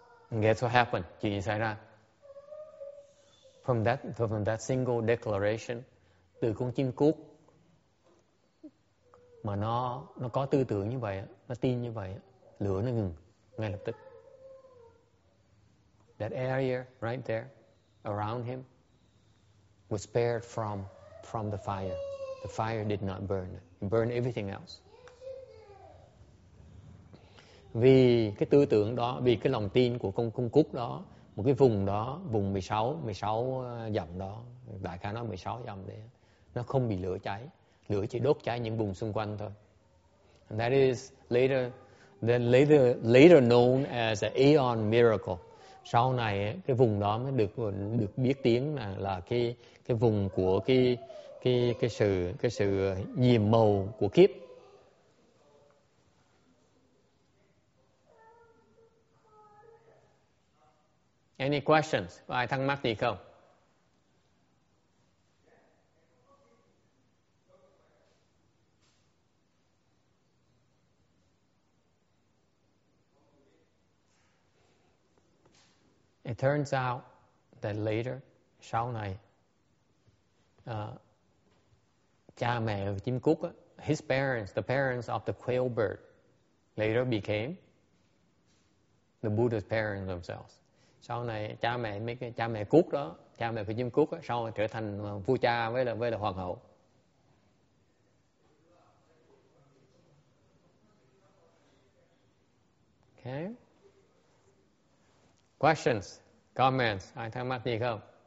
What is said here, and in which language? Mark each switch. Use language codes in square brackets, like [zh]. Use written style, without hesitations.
[en] And guess what happened? [vi] Chuyện gì xảy ra? [en] From that single declaration, [vi] từ con chim cút mà nó có tư tưởng như vậy, nó tin như vậy, lửa nó ngừng ngay lập tức. [en] That area right there around him was spared from the fire. The fire did not burn. It burned everything else. [vi] Vì cái tư tưởng đó, vì cái lòng tin của con cút đó, một cái vùng đó, vùng 16 dặm đó, đại khái nó 16 dặm đấy, nó không bị lửa cháy, lửa chỉ đốt cháy những vùng xung quanh thôi. [en] And that is later known as the Aeon Miracle. [vi] Sau này cái vùng đó mới được biết tiếng là cái vùng của cái sự nhiệm màu của kiếp. [en] Any questions? [vi] Có ai thắc mắc gì không? [en] It turns out that later, [vi] sau này, cha mẹ chim cút, [en] his parents, the parents of the quail bird, later became the Buddha's parents themselves. [vi] Sau này cha mẹ của chim cút đó sau này trở thành vua cha với là hoàng hậu. [en] Okay. Questions, comments, [vi] ai thắc mắc gì không?